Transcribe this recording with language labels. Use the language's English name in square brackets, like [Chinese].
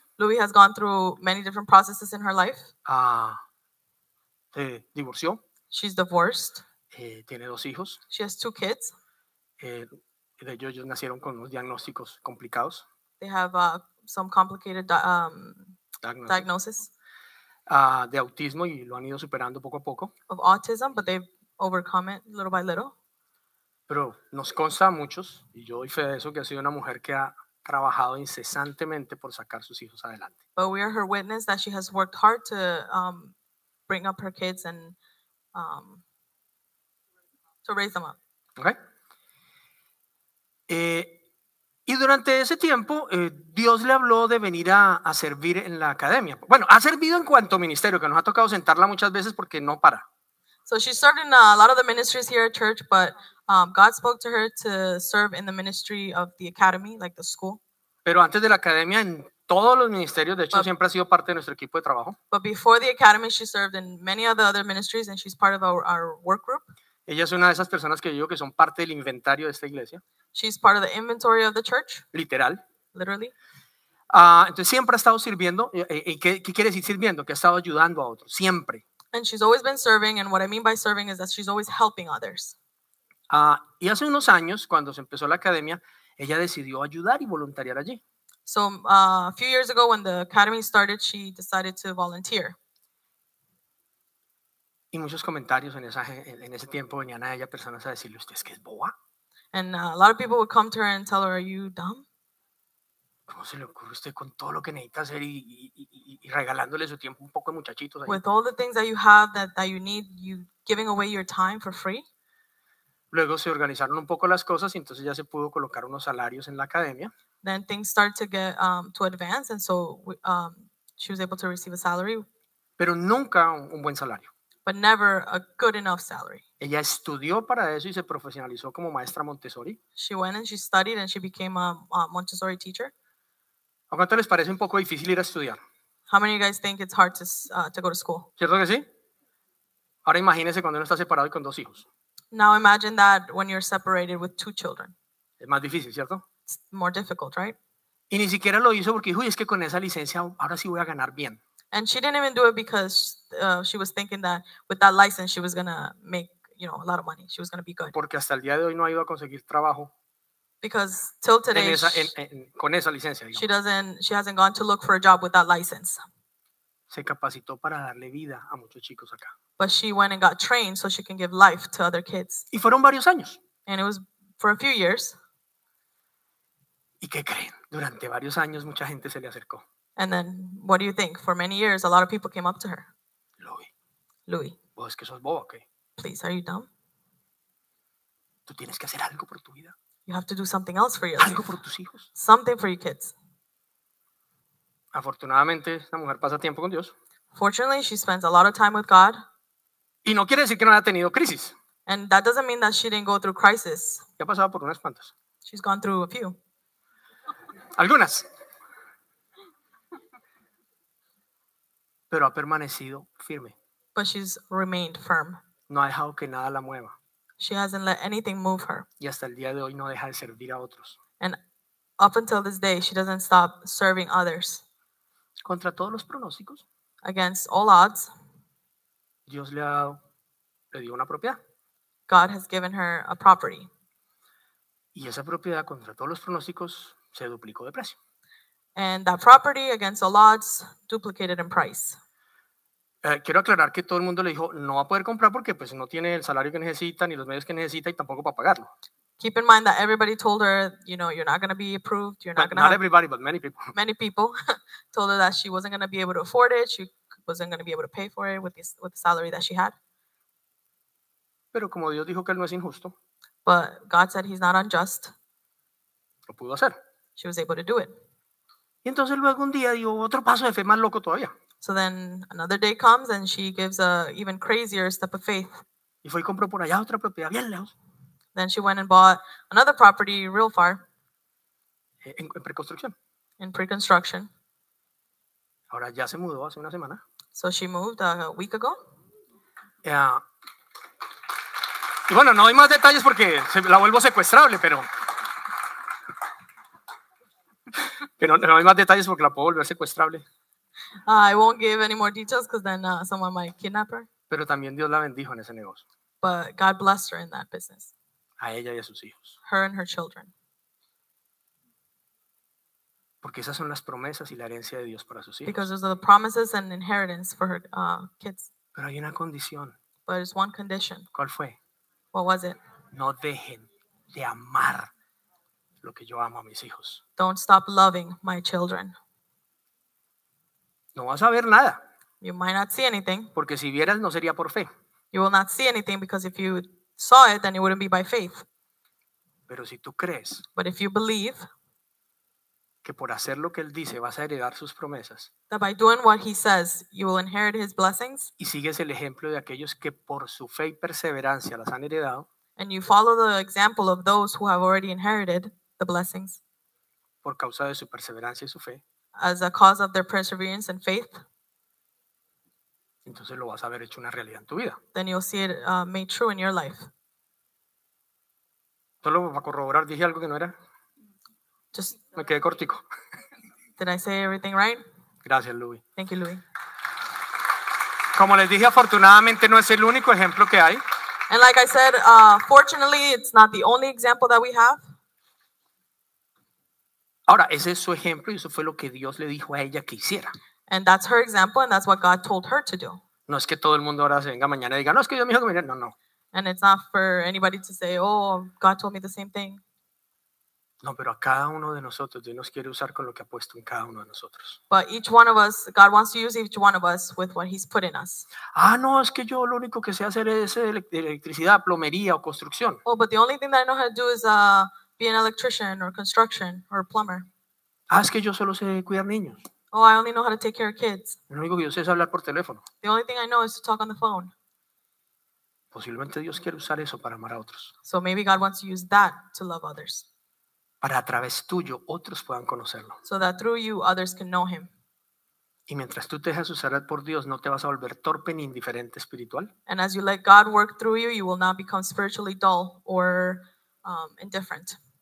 [English] Luby has gone through many different processes in her life. [Spanish] Se divorció. [English] She's divorced. [Spanish] Tiene dos hijos. [English] She has two kids. [Spanish] Ellos nacieron con unos diagnósticos complicados. [English] They have some complicated diagnosis. [Spanish] De autismo y lo han ido superando poco a poco. [English] Of autism, but they've overcome it little by little. [Spanish] Pero nos consta a muchos, y yo doy fe de eso, que ha sido una mujer que ha trabajado incesantemente por sacar sus hijos adelante. [English] But we are her witness that she has worked hard to bring up her kids and to raise them up. Okay. [Spanish] Y durante ese tiempo, Dios le habló de venir a servir en la academia. Bueno, ha servido en cuanto ministerio, que nos ha tocado sentarla muchas veces porque no para. [English] So she served in a lot of the ministries here at church, but God spoke to her to serve in the ministry of the academy, like the school. [Spanish] Pero antes de la academia, en todos los ministerios, de hecho, siempre ha sido parte de nuestro equipo de trabajo. [English] But before the academy, she served in many of the other ministries, and she's part of our work group. [Spanish] Ella es una de esas personas que digo que son parte del inventario de esta iglesia. [English] She's part of the inventory of the church. [Spanish] Literal. [English] Literally. [Spanish] Entonces, siempre ha estado sirviendo. ¿Qué quiere decir sirviendo? Que ha estado ayudando a otros. Siempre. [English] And she's always been serving, and what I mean by serving is that she's always helping others. [Spanish] Y hace unos años, cuando se empezó la academia, ella decidió ayudar y voluntariar allí. [English] So, a few years ago, when the academy started, she decided to volunteer. [Spanish] Y muchos comentarios en ese tiempo venían a ella personas a decirle, ¿usted es que es boba? [English] And a lot of people would come to her and tell her, are you dumb? [Spanish] ¿Cómo se le ocurre usted con todo lo que necesita hacer y regalándole su tiempo un poco a muchachitos? [English] With all the things that you have that you need, you giving away your time for free? [Spanish] Luego se organizaron un poco las cosas y entonces ya se pudo colocar unos salarios en la academia. [English] Then things started to get to advance, and so she was able to receive a salary. [Spanish] Pero nunca un buen salario. [English] But never a good enough salary. [Spanish] Ella estudió para eso y se profesionalizó como maestra Montessori. [English] She went and she studied and she became a Montessori teacher. [Spanish] ¿A cuánto les parece un poco difícil ir a estudiar? [English] How many of you guys think it's hard to go to school? [Spanish] ¿Cierto que sí? Ahora imagínense cuando uno está separado y con dos hijos. [English] Now imagine that when you're separated with two children. [Spanish] Es más difícil, ¿cierto? [English] It's more difficult, right? [Spanish] Y ni siquiera lo hizo porque dijo, uy, es que con esa licencia ahora sí voy a ganar bien. [English] And she didn't even do it because she was thinking that with that license she was going to make, you know, a lot of money. She was going to be good. [Spanish] Porque hasta el día de hoy no ha ido a conseguir trabajo. [English] Because till today, [Spanish] con esa licencia, digamos. [English] She hasn't gone to look for a job with that license. [Spanish] Se capacitó para darle vida a muchos chicos acá. [English] But she went and got trained so she can give life to other kids. [Spanish] Y fueron varios años. [English] And it was for a few years. [Spanish] ¿Y qué creen? Durante varios años mucha gente se le acercó. [English] And then, what do you think? For many years, a lot of people came up to her. [Spanish] Louis. ¿Vos que sos bobo, okay? [English] Please, are you dumb? [Spanish] Tú tienes que hacer algo por tu vida. [English] You have to do something else for your life. [Spanish] Algo por tus hijos. [English] Something for your kids. [Spanish] Afortunadamente, esta mujer pasa tiempo con Dios. [English] Fortunately, she spends a lot of time with God. [Spanish] Y no quiere decir que no haya tenido crisis. [English] And that doesn't mean that she didn't go through crisis. [Spanish] Ya ha pasado por unas cuantas. [English] She's gone through a few. [Spanish] Algunas. Pero ha permanecido firme. [English] But she's remained firm. [Spanish] No ha dejado que nada la mueva. [English] She hasn't let anything move her. [Spanish] Y hasta el día de hoy no deja de servir a otros. [English] And up until this day, she doesn't stop serving others. [Spanish] Contra todos los pronósticos. [English] Against all odds. [Spanish] Dios le dio una propiedad. [English] God has given her a property. [Spanish] Y esa propiedad, contra todos los pronósticos, se duplicó de precio. [English] And that property against all odds duplicated in price. [Spanish] Quiero aclarar que todo el mundo le dijo no va a poder comprar porque pues no tiene el salario que necesita ni los medios que necesita y tampoco para pagarlo. [English] Keep in mind that everybody told her, you know, you're not going to be approved, you're not going to. Not everybody, but many people. Many people told her that she wasn't going to be able to afford it, she wasn't going to be able to pay for it with the salary that she had. [Spanish] Pero como Dios dijo que él no es injusto. [English] But God said he's not unjust. [Spanish] Lo pudo hacer. [English] She was able to do it. [Spanish] Y entonces luego un día dio otro paso de fe más loco todavía. [English] So then another day comes and she gives a even crazier step of faith. [Spanish] Y fue y compró por allá otra propiedad bien lejos. [English] Then she went and bought another property real far. [Spanish] En preconstrucción. [English] In pre-construction. [Spanish] Ahora ya se mudó hace una semana. [English] So she moved a week ago. [Spanish] Yeah. Y bueno, no hay más detalles porque la vuelvo secuestrable, pero... Pero no hay más detalles porque la puedo volver secuestrable. [English] I won't give any more details because then someone might kidnap her. [Spanish] Pero también Dios la bendijo en ese negocio. [English] But God blessed her in that business. [Spanish] A ella y a sus hijos. [English] Her and her children. [Spanish] Porque esas son las promesas y la herencia de Dios para sus hijos. [English] Because those are the promises and inheritance for her kids. [Spanish] Pero hay una condición. [English] But there's one condition. [Spanish] ¿Cuál fue? [English] What was it? [Spanish] No dejen de amar lo que yo amo a mis hijos. [English] Don't stop loving my children. [Spanish] No vas a ver nada. [English] You might not see anything. [Spanish] Porque si vieras, no sería por fe. [English] You will not see anything because if you saw it, then it wouldn't be by faith. [Spanish] Pero si tú crees. [English] But if you believe. [Spanish] Que por hacer lo que él dice, vas a heredar sus promesas. [English] That by doing what he says, you will inherit his blessings. [Spanish] Y sigues el ejemplo de aquellos que por su fe y perseverancia las han heredado. [English] And you follow the example of those who have already inherited the blessings. [Spanish] Por causa de su perseverancia y su fe. [English] As a cause of their perseverance and faith. [Spanish] Entonces lo vas a ver hecho una realidad en tu vida. [English] Then you'll see it made true in your life. [Spanish] Solo para corroborar, dije algo que no era. [English] Just, [Spanish] me quedé cortico. [English] Did I say everything right? [Spanish] Gracias, Louis. [English] Thank you, Louis. [Spanish] Como les dije, afortunadamente no es el único ejemplo que hay. [English] And like I said, fortunately, it's not the only example that we have. [Spanish] Ahora, ese es su ejemplo y eso fue lo que Dios le dijo a ella que hiciera. [English] And that's her example and that's what God told her to do. [Spanish] No es que todo el mundo ahora se venga mañana y diga, no, es que Dios me dijo que me diga, no, no. [English] And it's not for anybody to say, oh, God told me the same thing. [Spanish] No, pero a cada uno de nosotros, Dios nos quiere usar con lo que ha puesto en cada uno de nosotros. [English] But each one of us, God wants to use each one of us with what he's put in us. [Spanish] Ah, no, es que yo lo único que sé hacer es electricidad, plomería o construcción. [English] Oh, but the only thing that I know how to do is be an electrician or construction or a plumber. [Spanish] Ah, es que yo solo sé cuidar niños. [English] Oh, I only know how to take care of kids. [Spanish] Lo único que yo sé es hablar por teléfono. [English] The only thing I know is to talk on the phone. [Spanish] Posiblemente Dios quiere usar eso para amar a otros. [English] So maybe God wants to use that to love others. [Spanish] Para a través tuyo otros puedan conocerlo. [English] So that through you others can know him. [Spanish] Y mientras tú te dejas usar por Dios, no te vas a volver torpe ni indiferente espiritual. [English] And as you let God work through you, you will not become spiritually dull or indifferent.